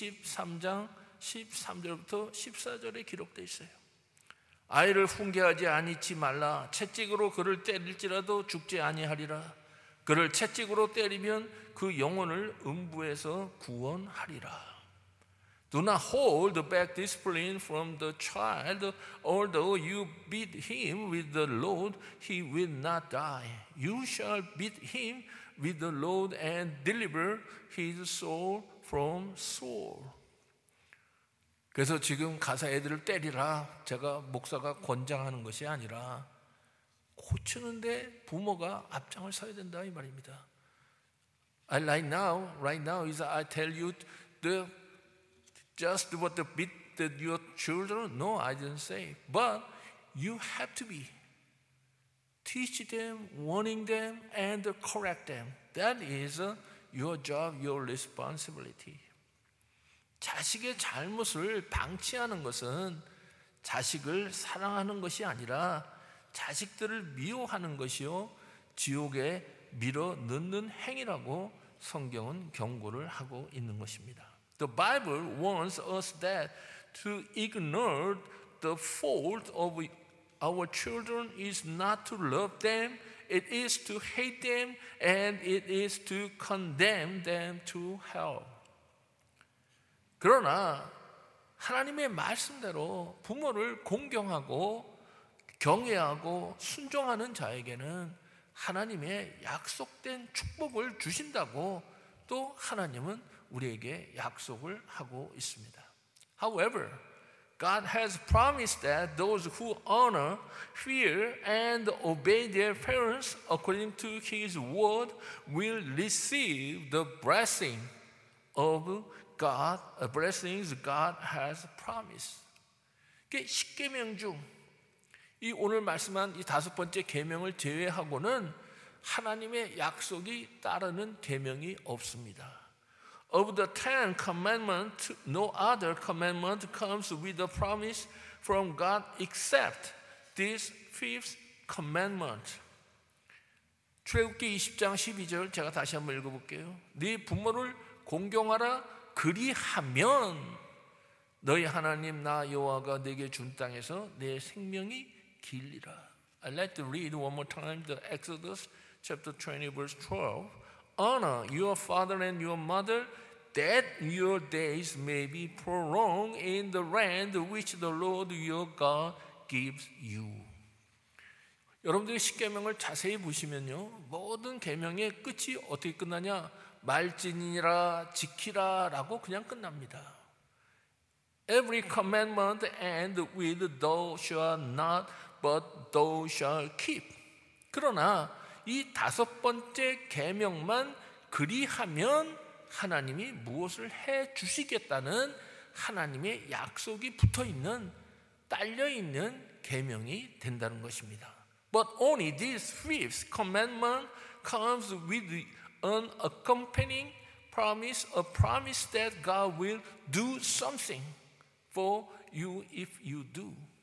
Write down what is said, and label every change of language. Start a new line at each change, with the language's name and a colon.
Korean: 잠언서 23장 13절부터 14절에 기록되어 있어요. 아이를 훈계하지 아니치 말라. 채찍으로 그를 때릴지라도 죽지 아니하리라. 그를 채찍으로 때리면 그 영혼을 음부에서 구원하리라.
English: Do not hold back discipline from the child. Although you beat him with the load, he will not die. You shall beat him with the load and deliver his soul from sore.
Korean: 그래서 지금 가사 애들을 때리라 제가 목사가 권장하는 것이 아니라 고치는데 부모가 앞장을 서야 된다 이 말입니다.
English: Right now is I tell you the just what the beat that your children. No, I didn't say. But you have to be teach them, warning them, and correct them. That is your job, your responsibility.
Korean: 자식의 잘못을 방치하는 것은 자식을 사랑하는 것이 아니라 자식들을 미워하는 것이요 지옥에 밀어넣는 행위라고 성경은 경고를 하고 있는 것입니다.
English: The Bible warns us that to ignore the fault of our children is not to love them, it is to hate them, and it is to condemn them to hell.
Korean: 그러나 하나님의 말씀대로 부모를 공경하고 경외하고 순종하는 자에게는 하나님의 약속된 축복을 주신다고 또 하나님은 우리에게 약속을 하고 있습니다.
English: However, God has promised that those who honor, fear, and obey their parents according to His word will receive the blessing of God, a blessing God has promised.
Korean: 십계명 중 이 오늘 말씀한 이 다섯 번째 계명을 제외하고는 하나님의 약속이 따르는 계명이 없습니다.
English: Of the ten commandments, no other commandment comes with a promise from God except this fifth commandment.
Korean: 출애굽기 20장 12절 제가 다시 한번 읽어볼게요. 네 부모를 공경하라. 그리하면 너희 하나님 나 여호와가 네게 준 땅에서 내 생명이 길리라.
English: I'd like to read one more time the Exodus chapter 20 verse 12. Honor your father and your mother that your days may be prolonged in the land which the Lord your God gives you.
Korean: 여러분들이 십계명을 자세히 보시면요. 모든 계명의 끝이 어떻게 끝나냐? 말지니라 지키라 라고 그냥 끝납니다.
English: Every commandment end with thou shalt not but thou shalt keep.
Korean: 그러나 이 다섯 번째 계명만 그리하면 하나님이 무엇을 해 주시겠다는 하나님의 약속이 붙어 있는, 딸려 있는 계명이 된다는 것입니다.
English: But only this fifth commandment comes with an accompanying promise, a promise that God will do something for you if you do.